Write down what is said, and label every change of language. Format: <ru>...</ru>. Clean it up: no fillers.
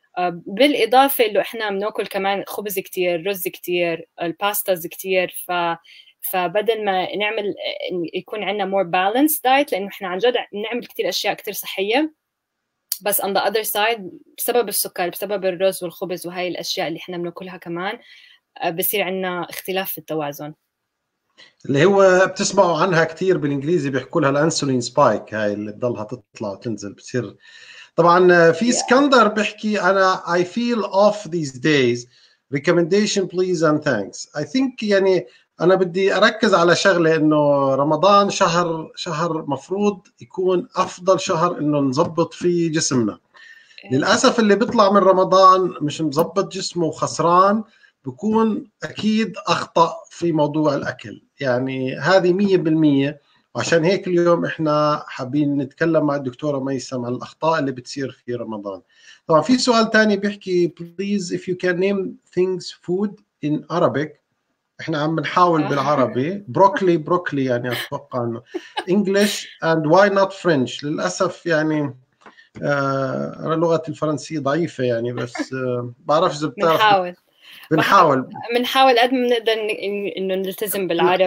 <ar>بالإضافة اللي إحنا بناكل كمان خبز كتير، رز كتير، الباستاز كتير، فبدل ما نعمل يكون عندنا</ar> <en>more balanced diet،</en> <ar>لأنه إحنا عن جد نعمل كتير أشياء كتير صحية، بس</ar> <en>on the other side</en> <ar>بسبب السكر، بسبب الرز والخبز وهاي الأشياء اللي إحنا بنأكلها كمان، بصير عندنا اختلاف في التوازن. اللي هو بتسمعوا عنها كتير بالإنجليزي بيحكوا لها الأنسولين سبايك، هاي اللي بضلها تطلع وتنزل بتصير. طبعاً في اسكندر بيحكي أنا</ar> <en>I feel off these days. Recommendation please and thanks. I think</en> <ar>يعني أنا بدي أركز على شغلة إنه رمضان شهر مفروض يكون أفضل شهر إنه نظبط فيه جسمنا. للأسف اللي بيطلع من رمضان مش مظبط جسمه وخسران بكون أكيد أخطأ في موضوع الأكل، يعني هذه 100%. وعشان هيك اليوم إحنا حابين نتكلم مع الدكتورة ميسم عن الأخطاء اللي بتصير في رمضان. طبعا في سؤال تاني بيحكي</ar> <en>please if you can name things food in Arabic.</en> <ar>إحنا عم نحاول بالعربي.</ar> <en>broccoli</en> <ar>يعني أتوقع إنه</ar> <en>English and why not French.</en> <ar>للأسف يعني لغة الفرنسية ضعيفة يعني، بس بعرف إذا بتعرف. بنحاول قد ما نقدر إنه نلتزم بالعربي.</ar>